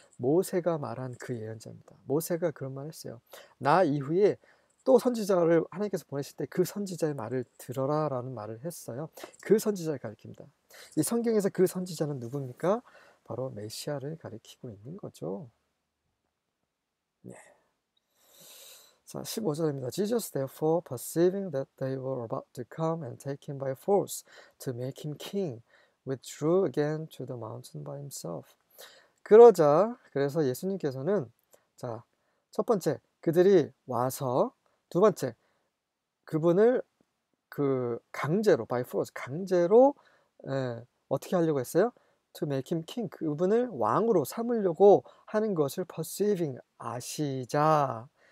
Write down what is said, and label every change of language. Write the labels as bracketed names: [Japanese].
[Korean] 모세가 말한 그 예언자입니다. 모세가 그런 말을 했어요. 나 이후에 또 선지자를 하나님께서 보내실 때그 선지자의 말을 들어라라는 말을 했어요. 그 선지자를 가리킵니다. 이 성경에서 그 선지자는 누굽니까? 바로 메시아를 가리키고 있는 거죠. 자, 15절입니다. [English] Jesus therefore, perceiving that they were about to come and take him by force to make him king, withdrew again to the mountain by himself. [Korean] 그러자, 그래서 예수님께서는, 자, 첫 번째, 그들이 와서, 두 번째, 그분을 그 강제로, [English] by force, [Korean] 강제로, 어떻게 하려고 했어요? [English] To make him king, [Korean] 그분을 왕으로 삼으려고 하는 것을 perceiving, 아시자.